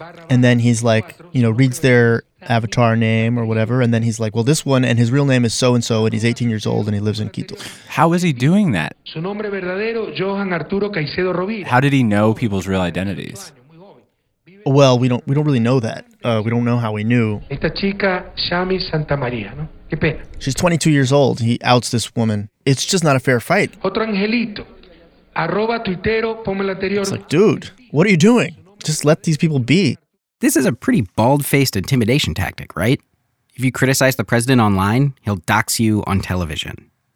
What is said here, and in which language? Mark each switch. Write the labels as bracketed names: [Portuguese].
[English] And then he's like, you know, reads their avatar name or whatever, and then he's like, well, this one, and his real name is so-and-so, and he's 18 years old, and he lives in Quito. How is he doing that? [Spanish] Su nombre verdadero, Johan Arturo Caicedo Rovira. [English] How did he know people's real identities? Well, we don't really know that. We don't know how he knew. [Spanish] Esta chica, Shami Santa Maria, ¿no? Qué pena. [English] She's 22 years old. He outs this woman. It's just not a fair fight. [Spanish] Otro angelito, @tuitero, ponme la anterior. [English] It's like, dude, what are you doing? Just let these people be. This is a pretty bald-faced intimidation tactic, right? If you criticize the president online, he'll dox you on television.